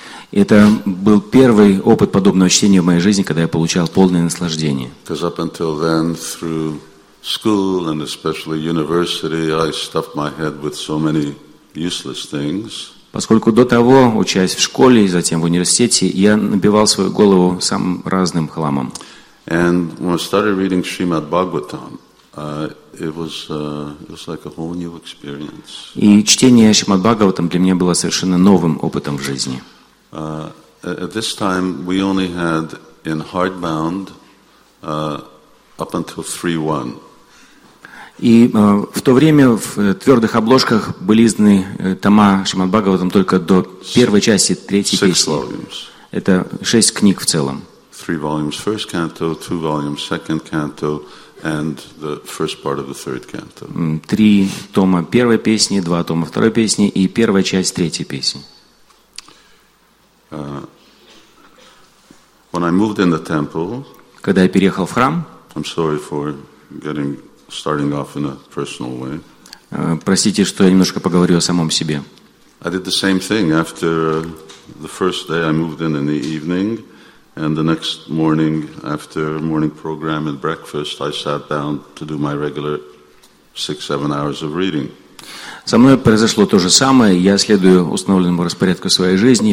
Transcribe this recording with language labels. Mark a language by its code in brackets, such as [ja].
[ru] Это был первый опыт подобного чтения в моей жизни, когда я получал полное наслаждение. [en] Because up until then, through school and especially university, I stuffed my head with so many useless things. [ru] Поскольку до того, учась в школе и затем в университете, я набивал свою голову самым разным хламом. [en] And when I started reading Srimad Bhagavatam, it was like a whole new experience. [ru] И чтение Шримад Бхагаватам для меня было совершенно новым опытом в жизни. [en] At this time we only had in hardbound up until 3.1. [ru] И в то время в твердых обложках были изданы тома Шримад Бхагаватам только до первой части третьей [en] six [ru] песни. [en] Volumes. [ru] Это шесть книг в целом. [en] Three volumes, first canto, two volumes, second canto, and the first part of the third canto. [ru] Три тома первой песни, два тома второй песни и первая часть третьей песни. [en] When I moved in the temple, [ru] когда я переехал в храм, [en] I'm sorry for getting starting off in a personal way. [ru] Простите, что я немножко поговорю о самом себе. [en] I did the same thing after the first day I moved in the evening, and the next morning after morning program and breakfast, I sat down to do my regular 6-7 hours of reading. [ru] Со мной произошло то же самое. Я следую установленному распорядку своей жизни.